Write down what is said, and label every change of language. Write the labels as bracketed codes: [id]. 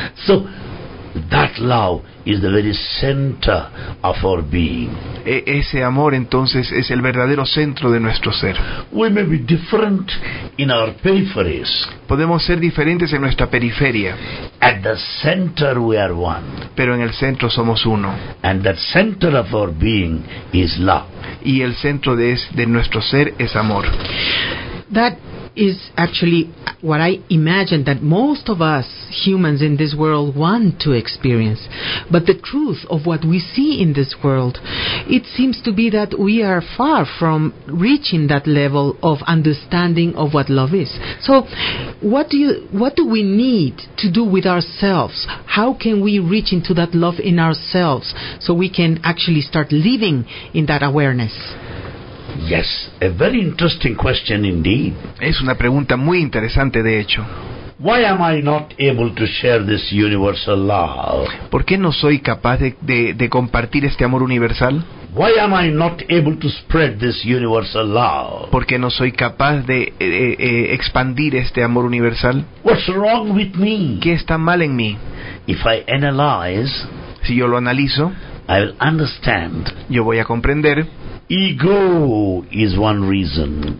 [en] So that love is the very center of our being. [es] Ese amor entonces es el verdadero centro de nuestro ser. [en] We may be different in our peripheries. [es] Podemos ser diferentes en nuestra periferia. [en] At the center we are one. [es] Pero en el centro somos uno. [en] And that center of our being is love. [es] Y el centro de nuestro ser es amor. [en] That is actually what I imagine that most of us humans in this world want to experience. But the truth of what we see in this world, it seems to be that we are far from reaching that level of understanding of what love is. So what do we need to do with ourselves? How can we reach into that love in ourselves so we can actually start living in that awareness? Yes, a very interesting question indeed. [es] Es una pregunta muy interesante de hecho. [en] Why am I not able to share this universal love? [es] ¿Por qué no soy capaz de compartir este amor universal? [en] Why am I not able to spread this universal love? [es] ¿Por qué no soy capaz de expandir este amor universal? [en] What's wrong with me? [es] ¿Qué está mal en mí? [en] If I analyze, [es] si yo lo analizo, [en] I will understand. [es] Yo voy a comprender. [en] Ego is one reason.